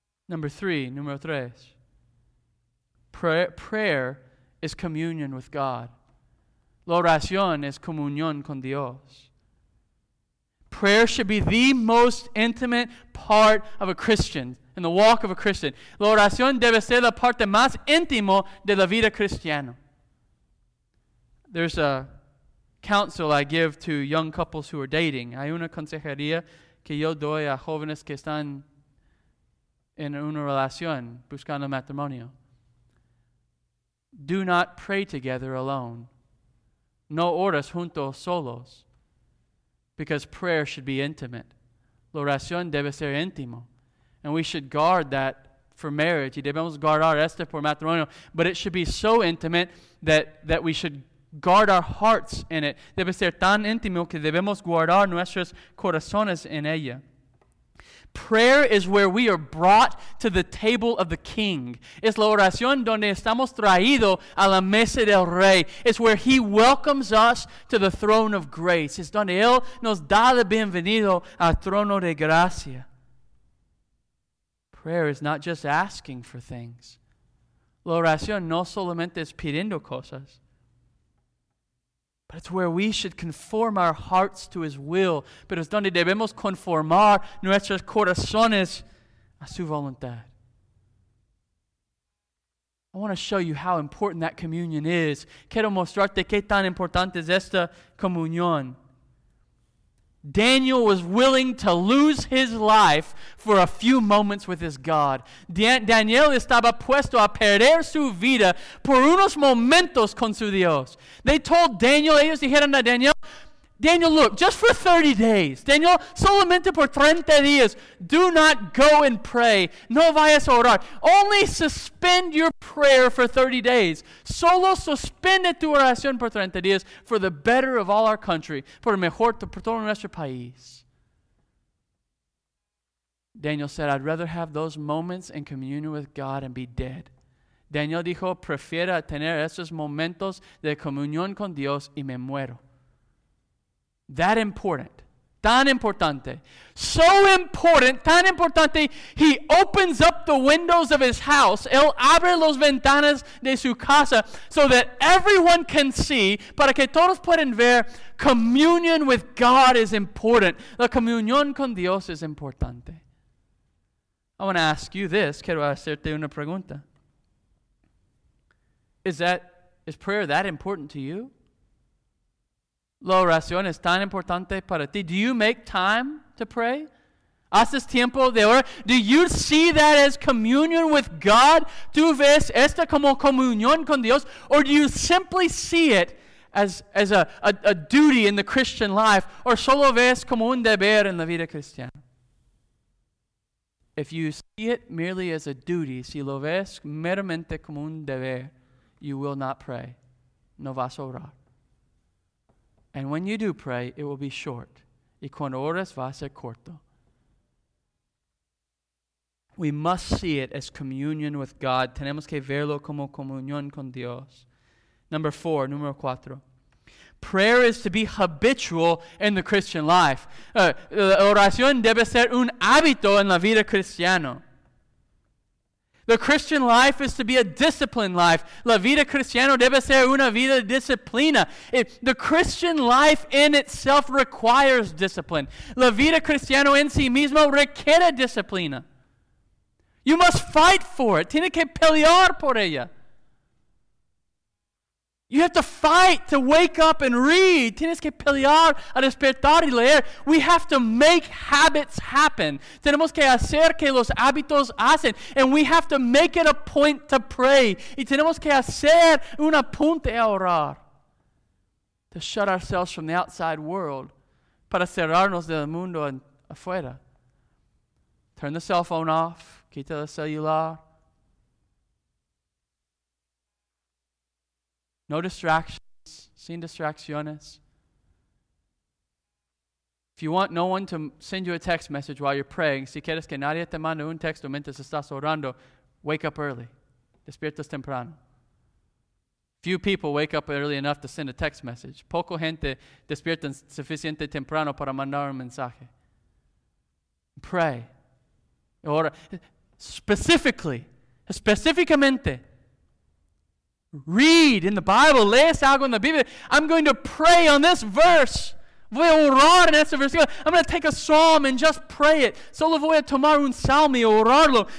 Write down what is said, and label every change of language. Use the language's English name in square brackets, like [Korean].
[Spanish] Número tres. [English] Prayer is communion with God. [Spanish] La oración es comunión con Dios. [English] Prayer should be the most intimate part of a Christian, in the walk of a Christian. [Spanish] La oración debe ser la parte más íntimo de la vida cristiana. [English] There's a counsel I give to young couples who are dating. [Spanish] Hay una consejería que yo doy a jóvenes que están en una relación buscando matrimonio. [English] Do not pray together alone. [Spanish] No oras juntos solos. [English] Because prayer should be intimate. [Spanish] La oración debe ser íntimo. [English] And we should guard that for marriage. [Spanish] Y debemos guardar esto por matrimonio. [English] But it should be so intimate that we should guard our hearts in it. [Spanish] Debe ser tan íntimo que debemos guardar nuestros corazones en ella. [English] Prayer is where we are brought to the table of the King. [Spanish] Es la oración donde estamos traídos a la mesa del Rey. [English] It's where He welcomes us to the throne of grace. [Spanish] Es donde Él nos da la bienvenida al trono de gracia. [English] Prayer is not just asking for things. [Spanish] La oración no solamente es pidiendo cosas. [English] But it's where we should conform our hearts to His will. [Spanish] Pero es donde debemos conformar nuestros corazones a su voluntad. [English] I want to show you how important that communion is. [Spanish] Quiero mostrarte qué tan importante es esta comunión. [English] Daniel was willing to lose his life for a few moments with his God. [Spanish] Daniel estaba puesto a perder su vida por unos momentos con su Dios. [English] They told Daniel, [Spanish] ellos dijeron a Daniel, [English] look, just for 30 days. [Spanish] Daniel, solamente por 30 días. [English] Do not go and pray. [Spanish] No vayas a orar. [English] Only suspend your prayer for 30 days. [Spanish] Solo suspende tu oración por 30 días [English] for the better of all our country. [Spanish] Por mejor por todo nuestro país. [English] Daniel said, I'd rather have those moments in communion with God and be dead. [Spanish] Daniel dijo, prefiero tener esos momentos de comunión con Dios y me muero. [English] That important, [Spanish] tan importante, [English] so important, [Spanish] tan importante, [English] he opens up the windows of his house, [Spanish] él abre los ventanas de su casa, [English] so that everyone can see, [Spanish] para que todos puedan ver, [English] communion with God is important. [Spanish] La comunión con Dios es importante. [English] I want to ask you this, [Spanish] quiero hacerte una pregunta. [English] Is prayer that important to you? [Spanish] La oración es tan importante para ti. [English] Do you make time to pray? [Spanish] ¿Haces tiempo de orar? [English] Do you see that as communion with God? [Spanish] ¿Tú ves esta como comunión con Dios? [English] Or do you simply see it as a duty in the Christian life? [Spanish] ¿Or solo ves como un deber en la vida cristiana? [English] If you see it merely as a duty, [Spanish] si lo ves meramente como un deber, [English] you will not pray. [Spanish] No vas a orar. [English] And when you do pray, it will be short. [Spanish] Y cuando oras, va a ser corto. [English] We must see it as communion with God. [Spanish] Tenemos que verlo como comunión con Dios. [English] Number 4. Prayer is to be habitual in the Christian life. [Spanish] Oración debe ser un hábito en la vida cristiana. [English] The Christian life is to be a disciplined life. [Spanish] La vida cristiana debe ser una vida disciplina. [English] The Christian life in itself requires discipline. [Spanish] La vida cristiana en sí mismo requiere disciplina. [English] You must fight for it. [Spanish] Tiene que pelear por ella. [English] You have to fight to wake up and read. [Spanish] Tienes que pelear a despertar y leer. [English] We have to make habits happen. [Spanish] Tenemos que hacer que los hábitos hacen. [English] And we have to make it a point to pray. [Spanish] Y tenemos que hacer un apunte a orar. [English] To shut ourselves from the outside world. [Spanish] Para cerrarnos del mundo afuera. [English] Turn the cell phone off. [Spanish] Quita el celular. [English] No distractions, [Spanish] sin distracciones. [English] If you want no one to send you a text message while you're praying, [Spanish] si quieres que nadie te mande un texto mientras estás orando, [English] wake up early. [Spanish] Despiertas temprano. [English] Few people wake up early enough to send a text message. [Spanish] Poco gente despierta suficiente temprano para mandar un mensaje. [English] Pray. [Spanish] Ora. Específicamente, [English] read in the Bible. [Spanish] Lees algo en la Biblia. [English] I'm going to pray on this verse. [Spanish] Voy a orar en este versículo. [English] I'm going to take a psalm and just pray it. [Spanish] Solo voy a tomar un salmo y orarlo.